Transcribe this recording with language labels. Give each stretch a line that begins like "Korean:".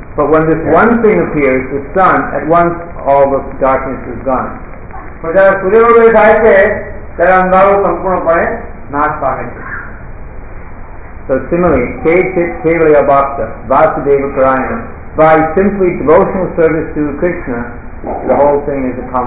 English: But when this one thing appears, the sun, at once all the darkness is gone.
Gujarati: પણ જ્યારે સૂર્યોદય થાય છે ત્યારે અંધારો સંપૂર્ણપણે નાશ પામે છે.
English: So similarly, Kechit Kevalya Bhakta, Vasudeva Parayana, by simply devotional service to Krishna, the whole thing is